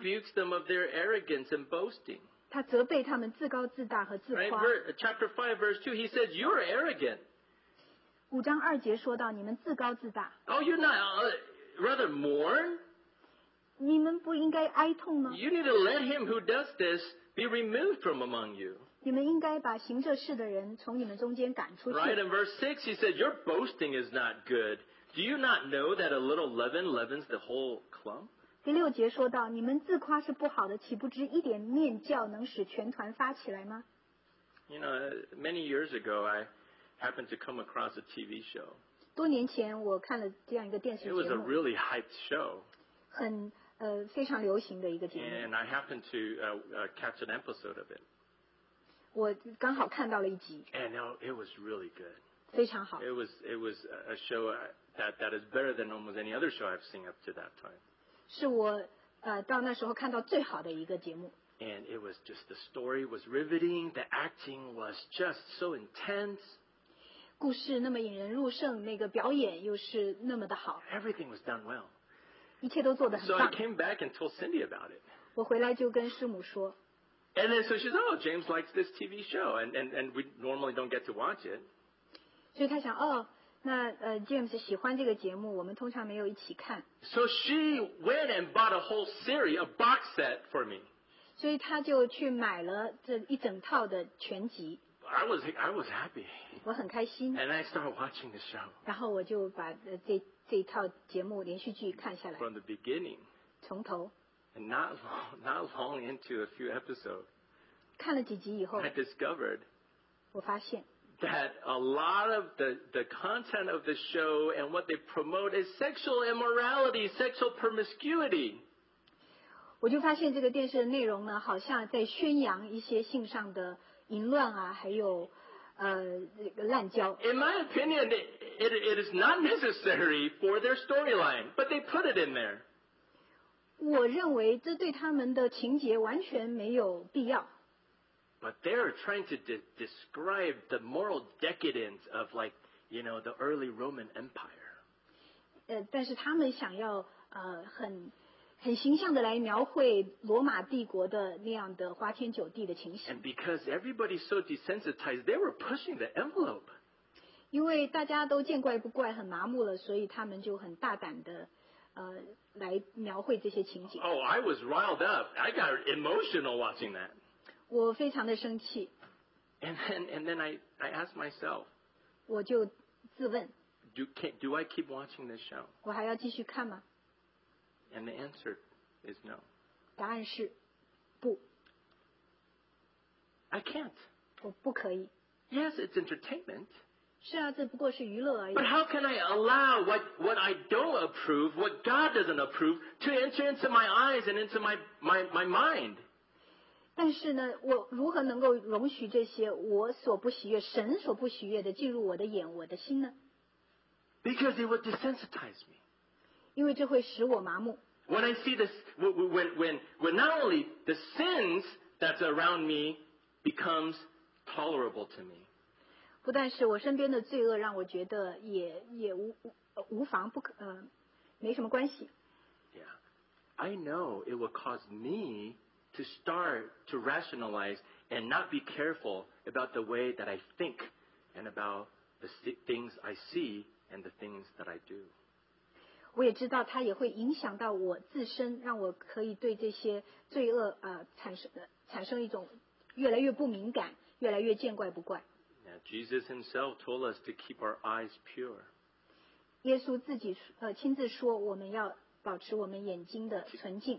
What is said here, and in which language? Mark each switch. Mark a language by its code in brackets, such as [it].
[en] He rebukes them of their arrogance and boasting. [zh] 他责备他们自高自大和自夸。 [en] Right? Chapter 5, verse 2, he says, you're arrogant. [zh] 五章二节说到你们自高自大。 [en] Oh, you're not, rather mourn? [zh] 你们不应该哀痛吗？ [en] You need to let him who does this be removed from among you. [zh] 你们应该把行这事的人从你们中间赶出去。 [en] Right, in verse 6, he says, your boasting is not good. Do you not know that a little leaven leavens the whole clump? [zh] 第六节说到，你们自夸是不好的，岂不知一点面酵能使全团发起来吗？ [en] You know, many years ago, I happened to come across a TV show. [zh] 多年前我看了这样一个电视节目。 [en] It was a really hyped show. [zh] 很非常流行的一个节目。 [en] And I happened to catch an episode of it. [zh] 我刚好看到了一集。 [en] And it was really good. [zh] 非常好。 [en] It was a show. That is better than almost any other show I've seen up to that time. [zh] 是我到那时候看到最好的一个节目。 [en] And it was just the story was riveting, the acting was just so intense. [zh] 故事那么引人入胜，那个表演又是那么的好。 [en] Everything was done well. [zh] 一切都做得很棒。 [en] So I came back and told Cindy about it. [zh] 我回来就跟师母说。 [en] And then so she said, "Oh, James likes this TV show, and we normally don't get to watch it." [zh] 所以她想哦。那James 喜欢这个节目，我们通常没有一起看。 [en] So she went and bought a whole series, a box set for me. [zh] 所以她就去买了这一整套的全集。 [en] I was happy. [zh] 我很开心。 [en] And I started watching the show. [zh] 然后我就把这一套节目连续剧看下来。 [en] From the beginning. [zh] 从头。 [en] And not long into a few episodes. [zh] 看了几集以后。 [en] I discovered. [zh] 我发现。 [en] That a lot of the content of the show and what they promote is sexual immorality, sexual promiscuity. [zh] 我就发现这个电视的内容呢，好像在宣扬一些性上的淫乱啊，还有这个滥交。 [en] In my opinion, it is not necessary for their storyline, but they put it in there. [zh] 我认为这对他们的情节完全没有必要。 [en] But they're trying to describe the moral decadence of, like, you know, the early Roman Empire. [zh] 但是他们想要很形象的来描绘罗马帝国的那样的花天酒地的情形。 [en] And because everybody's so desensitized, they were pushing the envelope. [zh] 因为大家都见怪不怪，很麻木了，所以他们就很大胆的来描绘这些情景。 [en] Oh, I was riled up. I got emotional watching that. [zh] 我非常的生气。 [en] And then I ask myself. [zh] 我就自问。 [en] Do I keep watching this show? [zh] 我还要继续看吗？ [en] And the answer is no. [zh] 答案是不。 [en] I can't. [zh] 我不可以。 [en] Yes, it's entertainment. [zh] 是啊，这不过是娱乐而已。 [en] But how can I allow what I don't approve, what God doesn't approve, to enter into my eyes and into my mind? [zh] 但是呢，我如何能够容许这些我所不喜悦、神所不喜悦的进入我的眼、我的心呢？ [en] Because it would desensitize me. [zh] 为这会使我麻木。 [en] When I see this, when not only the sins that's around me becomes tolerable to me. [zh] 不但是我身边的罪恶让我觉得也 无妨不可没什么关系。 [en] Yeah, I know it will cause me to start to rationalize and not be careful about the way that I think and about the things I see and the things that I do. [zh] 我也知道它也会影响到我自身，让我可以对这些罪恶产生一种越来越不敏感，越来越见怪不怪。 [en] Now, Jesus himself told us to keep our eyes pure. [zh] 耶稣自己亲自说我们要保持我们眼睛的纯净。